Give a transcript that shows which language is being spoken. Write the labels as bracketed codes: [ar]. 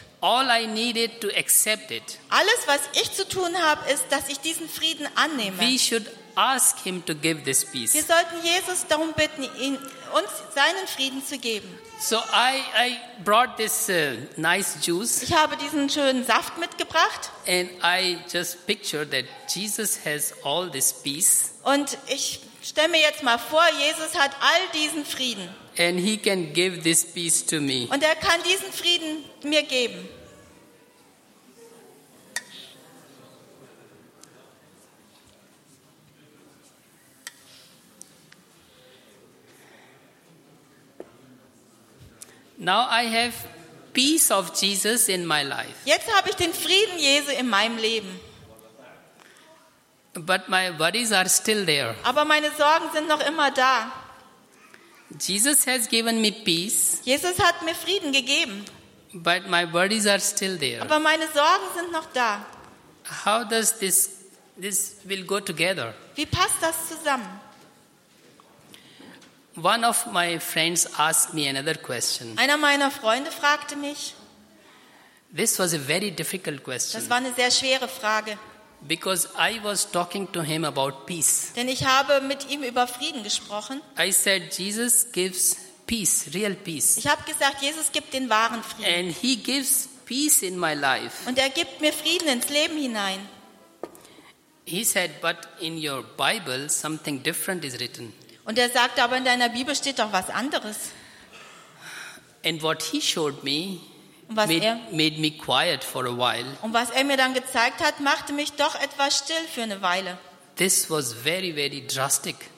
[en] All I needed to accept it. [de] Alles was ich zu tun habe, ist, dass ich diesen Frieden annehme. [en] We should ask him to give this peace. [de] Wir sollten Jesus darum bitten, ihn uns seinen Frieden zu geben. [en] So I brought this nice juice. [de] Ich habe diesen schönen Saft mitgebracht. [en] And I just picture that Jesus has all this peace. [de] Und ich stelle mir jetzt mal vor, Jesus hat all diesen Frieden. [en] And he can give this peace to me. [de] Und er kann diesen Frieden mir geben. [en] Now I have peace of Jesus in my life. [de] Jetzt habe ich den Frieden Jesu in meinem Leben. [en] But my worries are still there. [de] Aber meine Sorgen sind noch immer da. [en] Jesus has given me peace. [de] Jesus hat mir Frieden gegeben. [en] But my worries are still there. [de] Aber meine Sorgen sind noch da. [en] How does this will go together? [de] Wie passt das zusammen? [en] One of my friends asked me another question. [de] Einer meiner Freunde fragte mich. [en] This was a very difficult question. [de] Das war eine sehr schwere Frage. [en] Because I was talking to him about peace. [de] Denn ich habe mit ihm über Frieden gesprochen. [en] I said Jesus gives peace, real peace. [de] Ich habe gesagt, Jesus gibt den wahren Frieden. [en] And he gives peace in my life. [de] Und er gibt mir Frieden ins Leben hinein. [en] He said, but in your Bible something different is written. [de] Und er sagte, aber in deiner Bibel steht doch was anderes. [en] And what he showed me made me quiet for a while. [de] Und was er mir dann gezeigt hat, machte mich doch etwas still für eine Weile. [en] This was very, very drastic.